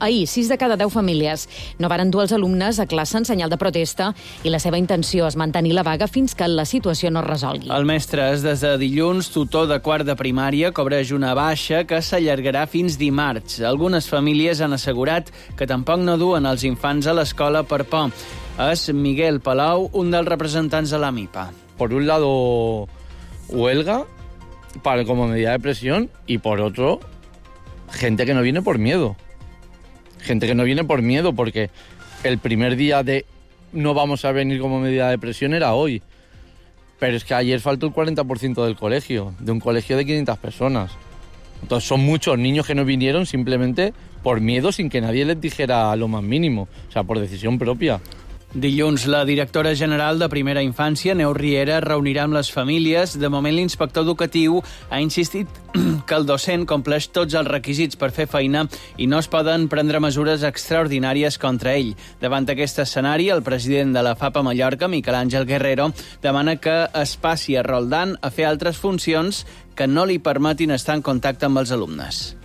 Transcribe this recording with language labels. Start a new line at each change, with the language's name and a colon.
Catalan: Ahir, 6 de cada 10 famílies no varen dur els alumnes a classe en senyal de protesta i la seva intenció es mantenir la vaga fins que la situació no es resolgui. El mestre és des de dilluns tutor de quart de primària, cobreix una baixa que s'allargarà fins dimarts. Algunes famílies han assegurat que tampoc no duen els infants a l'escola per por. És Miguel Palau, un dels representants de la MIPA.
Spanish: Por un lado, huelga, para como medida de presión, y por otro, gente que no viene por miedo. Gente que no viene por miedo, porque el primer día de no vamos a venir como medida de presión era hoy. Pero es que ayer faltó el 40% del colegio, de un colegio de 500 personas. Entonces son muchos niños que no vinieron simplemente por miedo, sin que nadie les dijera lo más mínimo, o sea, por decisión propia.
Catalan: Dilluns, la directora general de Primera Infància, Neus Riera, reunirà amb les famílies. De moment, l'inspector educatiu ha insistit que el docent compleix tots els requisits per fer feina i no es poden prendre mesures extraordinàries contra ell. Davant d'aquest escenari, el president de la FAPA Mallorca, Miquel Àngel Guerrero, demana que es passi a Roldán a fer altres funcions que no li permetin estar en contacte amb els alumnes.